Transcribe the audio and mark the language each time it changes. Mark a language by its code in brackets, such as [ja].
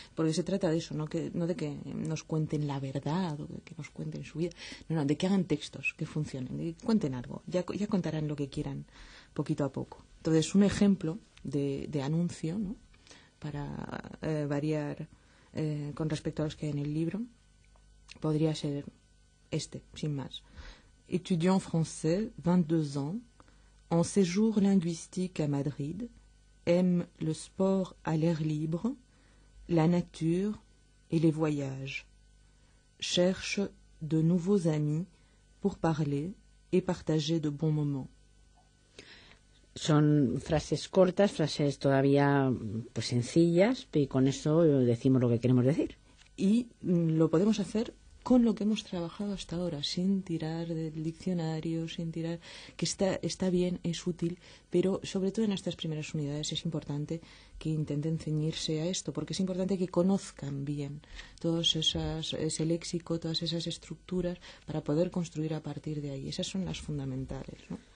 [es] Porque se trata de eso, no de que nos cuenten la verdad o de que nos cuenten su vida, no, de que hagan textos que funcionen, de que cuenten algo. Ya contarán lo que quieran poquito a poco. Entonces, un ejemplo de anuncio, ¿no? Para variar con respecto a los que hay en el libro, podría ser este, sin más. [fr] Étudiant français, 22 ans. En séjour linguistique à Madrid, aime le sport à l'air libre, la nature et les voyages. Cherche de nouveaux amis pour parler et partager de bons moments. [es] Son frases cortas, frases todavía pues sencillas, y con eso decimos lo que queremos decir. Y lo podemos hacer con lo que hemos trabajado hasta ahora, sin tirar del diccionario, sin tirar, que está bien, es útil, pero sobre todo en estas primeras unidades es importante que intenten ceñirse a esto, porque es importante que conozcan bien todos esas, ese léxico, todas esas estructuras, para poder construir a partir de ahí. Esas son las fundamentales, ¿no?